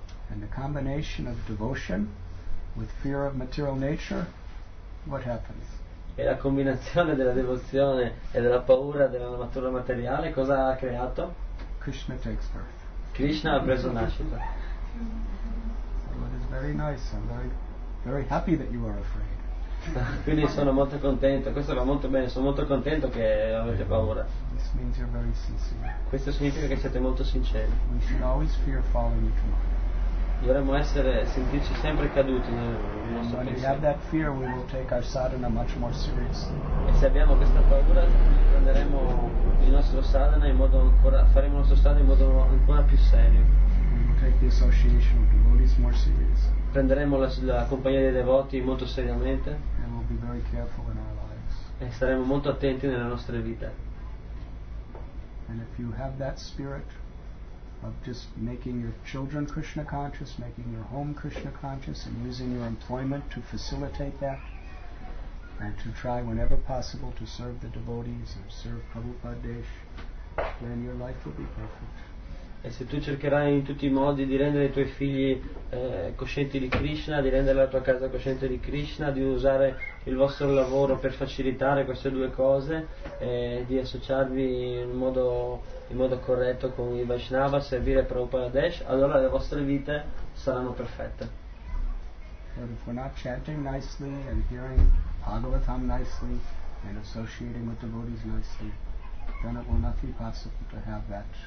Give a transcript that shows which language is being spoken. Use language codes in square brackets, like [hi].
[en] And the combination of devotion with fear of material nature, what happens? [it] E la combinazione della devozione e della paura della natura materiale cosa ha creato? [en] Krishna takes birth. [it] Krishna ha preso nascita. [en] So it is very nice. I'm very, very happy that you are afraid. [it] Quindi sono molto contento. Questo va molto bene. Sono molto contento che avete paura. [en] This means you're very sincere. [it] Questo significa che siete molto sinceri. [en] We should always fear falling into Maya. [it] Dovremmo sentirci sempre caduti nel nostro pensiero. [en] When we have that fear, we will take our sadhana much more seriously. [it] E se abbiamo questa paura, prenderemo il nostro sadhana in modo ancora, faremo il nostro sadhana in modo ancora più serio. [en] We will take the association of devotees more seriously. [it] Prenderemo la compagnia dei devoti molto seriamente. [en] And we'll be very careful in our lives. [it] E saremo molto attenti nelle nostre vite. [en] And if you have that spirit of just making your children Krishna conscious, making your home Krishna conscious, and using your employment to facilitate that, and to try whenever possible to serve the devotees and serve Prabhupada Desh, then your life will be perfect. [it] E se tu cercherai in tutti i modi di rendere i tuoi figli coscienti di Krishna, di rendere la tua casa cosciente di Krishna, di usare il vostro lavoro per facilitare queste due cose, di associarvi in modo corretto con i Vaishnava, servire Prabhupada Desh, allora le vostre vite saranno perfette. [en] But if we're not chanting nicely and hearing Bhagavatam nicely and associating with devotees nicely, then it will not be possible to have that.